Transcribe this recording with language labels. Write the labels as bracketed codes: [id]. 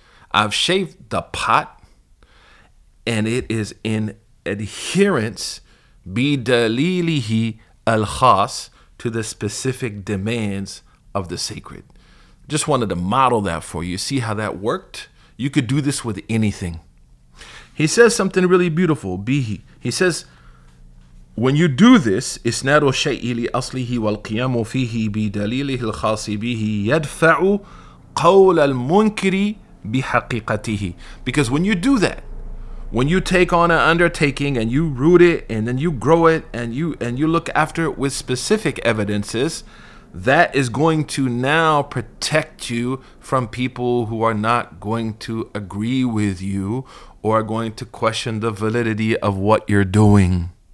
[en] I've shaped the pot. And it is in adherence [ar] بِدَلِيلِهِ الْخَاسِ [en] to the specific demands of the sacred. Just wanted to model that for you. See how that worked? You could do this with anything. He says something really beautiful. [ar] Bihi. [en] He says, when you do this, [ar] إِسْنَادُ الشَّيْءِ لِأَصْلِهِ وَالْقِيَامُ فِيهِ بِدَلِيلِهِ الْخَاسِ بِهِ يَدْفَعُ قَوْلَ الْمُنْكِرِ بِحَقِيقَتِهِ. [en] Because when you do that, when you take on an undertaking and you root it and then you grow it and you look after it with specific evidences, that is going to now protect you from people who are not going to agree with you or are going to question the validity of what you're doing.